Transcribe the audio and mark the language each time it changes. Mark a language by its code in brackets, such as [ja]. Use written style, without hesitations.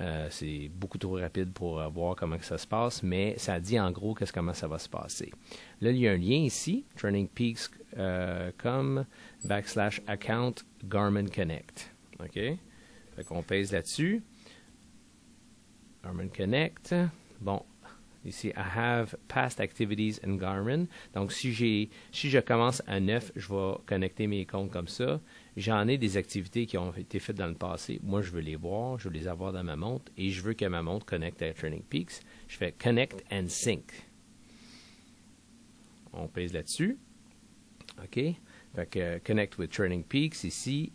[fr] C'est beaucoup trop rapide pour voir comment que ça se passe, mais ça dit en gros comment ça va se passer. Là, il y a un lien ici, trainingpeaks.com/account-garmin-connect. OK? Fait qu'on pèse là-dessus. Garmin Connect. [en] Bon, ici, I have past activities in Garmin. [fr] Donc, si je commence à 9, je vais connecter mes comptes comme ça. J'en ai des activités qui ont été faites dans le passé. Moi, je veux les voir, je veux les avoir dans ma montre et je veux que ma montre connecte à Training Peaks. Je fais Connect and Sync. On pèse là-dessus. OK. Fait que Connect with Training Peaks ici.